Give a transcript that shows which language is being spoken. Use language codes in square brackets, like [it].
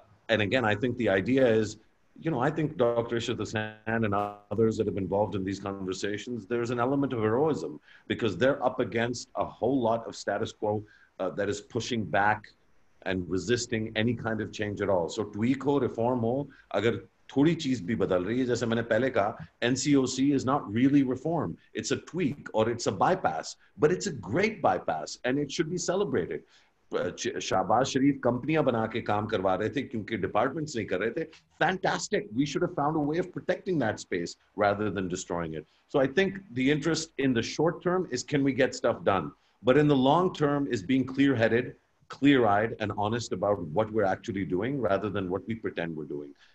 [en] And again, I think the idea is, you know, I think Dr. Ishat Hussain and others that have been involved in these conversations, there's an element of heroism, because they're up against a whole lot of status quo that is pushing back and resisting any kind of change at all. So [ur] tweak ہو, reform ہو, اگر تھوڑی چیز بھی بدل رہی ہے, جیسے میں نے پہلے کہا, [en] NCOC is not really reform. It's a tweak or it's a bypass, but it's a great bypass and it should be celebrated. [ur] Shahbaz شریف کمپنیاں بنا کے کام کروا رہے تھے کیونکہ ڈیپارٹمنٹس نہیں کر رہے تھے. [en] Fantastic. We should have found a way of protecting that space rather than destroying it. So I think the interest in the short term is, can we get stuff done? But in the long term is being clear-headed, clear-eyed and honest about what we're actually doing rather than what we pretend we're doing.